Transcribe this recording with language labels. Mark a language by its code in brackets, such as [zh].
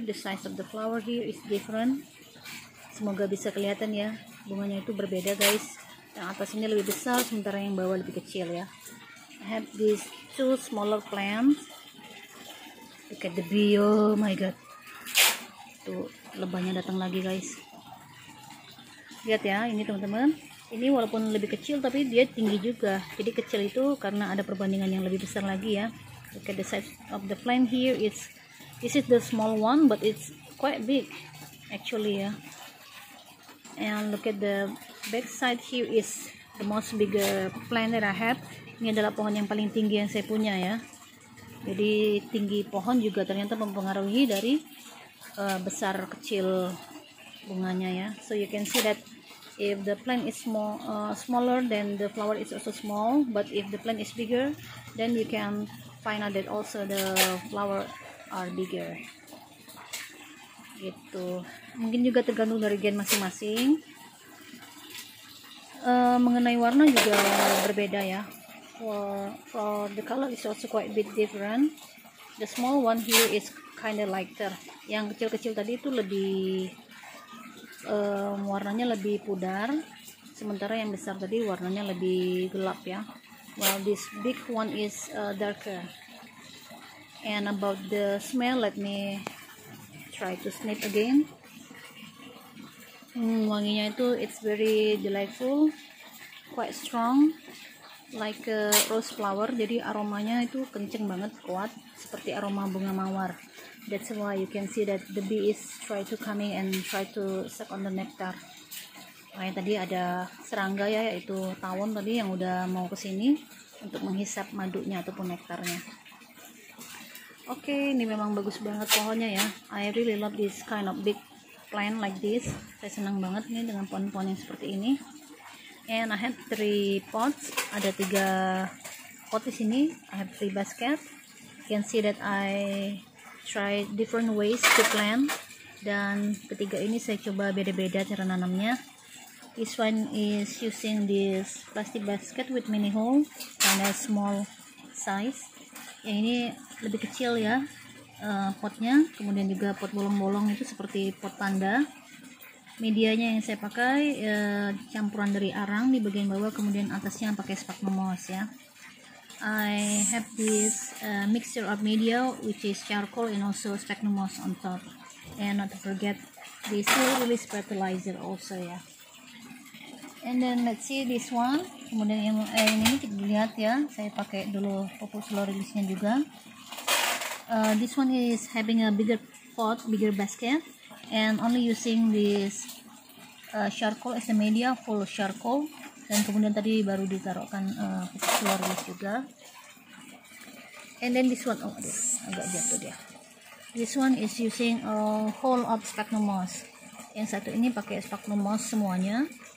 [en] The size of the flower here is different. [id] Semoga bisa kelihatan ya, bunganya itu berbeda guys. Yang atas ini lebih besar, sementara yang bawah lebih kecil ya. [en] I have these 2 smaller plants. Look at the bee, oh my god. [id] Tuh, lebahnya datang lagi guys. Lihat ya, ini teman-teman. Ini walaupun lebih kecil, tapi dia tinggi juga. Jadi kecil itu karena ada perbandingan yang lebih besar lagi ya. [en] Look at the size of the plant here. This is the small one, but it's quite big. Actually ya. And look at the back side here is the most bigger plant that I have. [id] Ini adalah pohon yang paling tinggi yang saya punya ya. Jadi tinggi pohon juga ternyata mempengaruhi dari besar kecil bunganya ya. [en] So you can see that if the plant is smaller then the flower is also small, but if the plant is bigger then you can find out that also the flower are bigger. [id] Gitu. Mungkin juga tergantung dari gen masing-masing. Mengenai warna juga berbeda ya. [en] For the color is also quite a bit different. The small one here is kind of lighter. [id] Yang kecil-kecil tadi itu lebih warnanya lebih pudar, sementara yang besar tadi warnanya lebih gelap ya. [en] While this big one is darker. And about the smell, let me try to sniff again. [id] Wanginya itu [en] it's very delightful, quite strong. Like rose flower, [id] jadi aromanya itu kenceng banget, kuat seperti aroma bunga mawar. [en] That's why you can see that the bee is try to coming and try to suck on the nectar. [id] Kayak tadi ada serangga ya, yaitu tawon tadi yang udah mau kesini untuk menghisap madunya ataupun nektarnya. Okay, ini memang bagus banget pohonnya ya. [en] I really love this kind of big plant like this. [id] Saya senang banget nih dengan pohon-pohon yang seperti ini. [en] And I have 3 pots. [id] Ada 3 pot di sini. [en] I have 3 basket. You can see that I try different ways to plant. [id] Dan ketiga ini saya coba beda-beda cara nanamnya. [en] This one is using this plastic basket with mini hole, kind of small size. [id] Yang ini lebih kecil ya potnya, kemudian juga pot bolong-bolong itu seperti pot panda. Medianya yang saya pakai campuran dari arang di bagian bawah, kemudian atasnya pakai sphagnum moss ya. [en] I have this mixture of media which is charcoal and also sphagnum moss on top, and not to forget this release fertilizer also ya. And then let's see this one. [id] Kemudian ini kita lihat ya, saya pakai dulu pupuk slow release-nya juga. [en] This one is having a bigger pot, bigger basket, and only using this charcoal as a media, full charcoal. [id] Dan kemudian tadi baru ditaruhkan pupuk slow release juga. [en] And then this one, oh, this [id] agak jatuh dia. [en] This one is using a whole of sphagnum moss. [id] Yang satu ini pakai sphagnum moss semuanya.